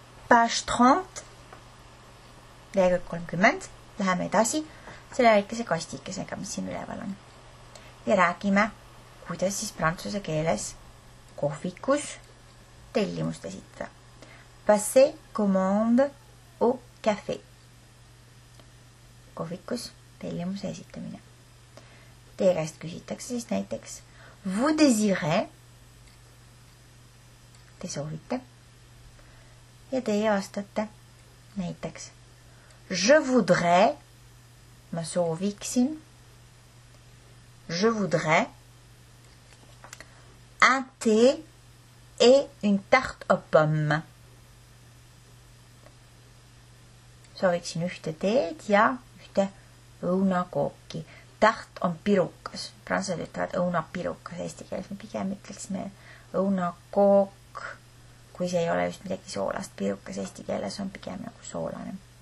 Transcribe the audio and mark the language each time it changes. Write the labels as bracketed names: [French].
[French] Page 30, [Estonian] lehekülg 30, läheme edasi selle väikese kastikesega, mis siin üleval on. Ja räägime, kuidas siis prantsuse keeles kohvikus tellimust esitada. [French] Passez commande au café. [Estonian] Kohvikus tellimuse esitamine. Teie käest küsitakse siis näiteks [French] Vous désirez? [Estonian] Te soovite. Ja teie vastate näiteks [French] Je voudrais. [Estonian] Ma sooviksin. [French] Je voudrais. Un thé et une tarte aux pommes. [Estonian] Sooviksin ühte teed ja ühte õunakooki. Tart on pirukas. Prantsused ütlevad õunapirukas. Eesti keeles me pigem ütleksime õunakook, kui see ei ole just midagi soolast. Pirukas eesti keeles on pigem nagu soolane.